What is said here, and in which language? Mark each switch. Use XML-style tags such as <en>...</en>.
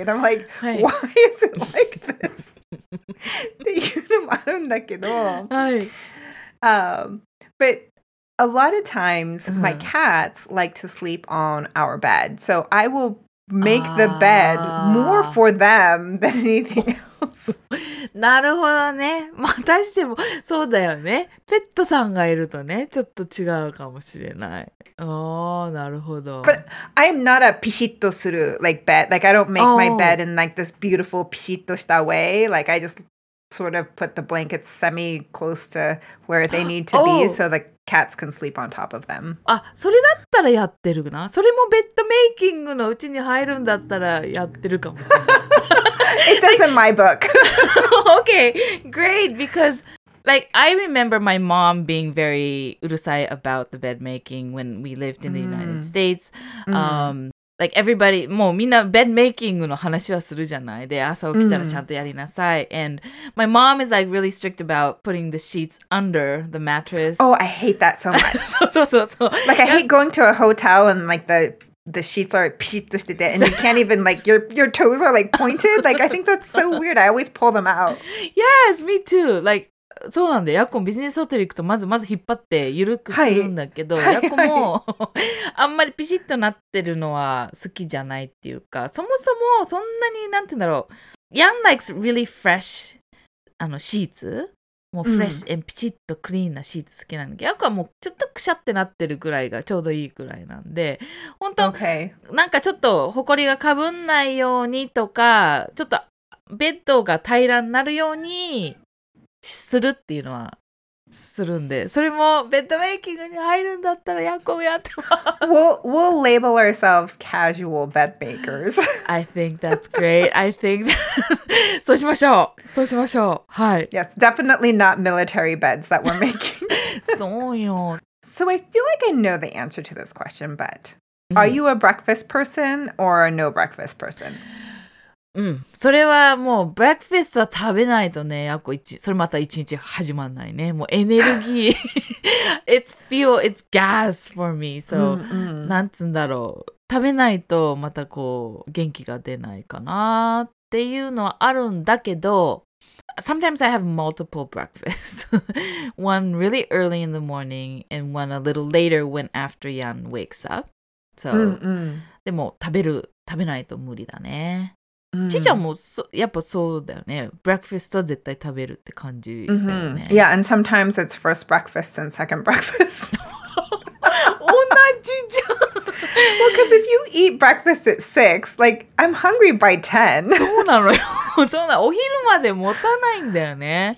<en>And I'm like, why is it like this? But a lot of times my cats like to sleep on our bed. So I will... make the bed more for them than anything else.</en> <ja>なるほどね。まあ、私でもそうだよね。ペットさんがいるとね、ちょっと違うかもしれない。ああ、なるほど。</ja> <en>But I am not a ピシッとする like bed. Like I don't make my bed in like this beautiful ピシッとした way. Like I just sort of put the blankets semi close to where they need to be so the cats can sleep on top of them.</en> <ja>あ、それだったらやってるな。それもベッドメイキングのうちに入るんだったらやってるかもしれない。</ja> <en>It doesn't my book. Okay, great, because like I remember my mom being very urusai about the bed making when we lived in the United States.</en> <ja>Like everybody, もうみんなベッドメイキングの話はするじゃない。で、朝起きたらちゃんとやりなさい。</ja> <en>And my mom is like really strict about putting the sheets under the mattress. Oh, I hate that so much.</en> <ja>そう。</ja> <en>Like I hate going to a hotel and like the sheets are ピシッとしてて and you can't even like, your toes are like pointed. Like I think that's so weird. I always pull them out. Yes, me too.</en> <ja>Like,そうなんだ。ヤコンビジネスホテル行くとまず引っ張って緩くするんだけど、ヤコもあんまりピシッとなってるのは好きじゃないっていうか、そもそもそんなになんて言うんだろう。</ja> <en>ヤン likes really fresh あのシーツ。</en> <ja>もうフレッシュ、ピチッとクリーンなシーツ好きなんだけど、ヤコはもうちょっとくしゃってなってるぐらいがちょうどいいくらいなんで、本当、</ja> <en>okay.</en> <ja>なんかちょっとほこりがかぶんないようにとか、ちょっとベッドが平らになるようにするっていうのはするんで、それもベッドメイキングに入るんだったらヤコもやってます。</ja> <en>We'll label ourselves casual bed makers. I think that's great. I think that... そうしましょう。はい。 Yes, definitely not military beds that we're making.</en> <ja>そうよ。</ja> <en>So I feel like I know the answer to this question, but are you a breakfast person or a no breakfast person?</en> <ja>うん、それはもうブレックファストは食べないとね、やっこ一、それまた一日始まんないね。</ja> <en>もうエネルギー、it's fuel, it's gas for me.</en> <ja>So, なんつうんだろう、食べないとまたこう元気が出ないかなっていうのはあるんだけど、 Sometimes I have multiple breakfasts.</ja> <en>One really early in the morning and one a little later when after Yan wakes up.</en> <ja>So, でも食べないと無理だね。ちーちゃんもやっぱそうだよね。ブレックファストは絶対食べるって感じだよね。 Mm-hmm.</ja> <en>Yeah, and sometimes it's first breakfast and second breakfast.</en> <ja>同じじゃん。</ja> <en>Well, because if you eat breakfast at 6, like, I'm hungry by 10.</en> <ja>そうなのよ。そうなの。お昼まで持たないんだよね。</ja>